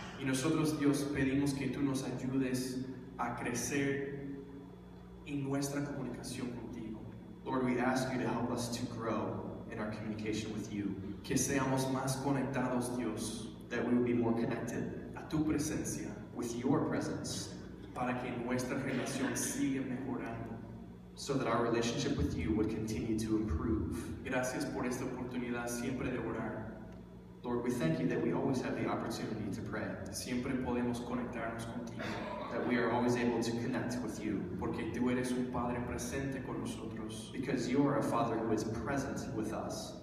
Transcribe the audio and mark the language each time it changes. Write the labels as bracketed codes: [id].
[es] Y nosotros, Dios, pedimos que tú nos ayudes a crecer en nuestra comunicación contigo. [en] Lord, we ask you to help us to grow in our communication with you. [es] Que seamos más conectados, Dios. [en] That we will be more connected. [es] A tu presencia. [en] With your presence. [es] Para que nuestra relación siga mejorando. [en] So that our relationship with you would continue to improve. [es] Gracias por esta oportunidad siempre de orar. [en] Lord, we thank you that we always have the opportunity to pray. [es] Siempre podemos conectarnos contigo. [en] That we are always able to connect with you. [es] Porque tú eres un padre presente con nosotros. [en] Because you are a father who is present with us.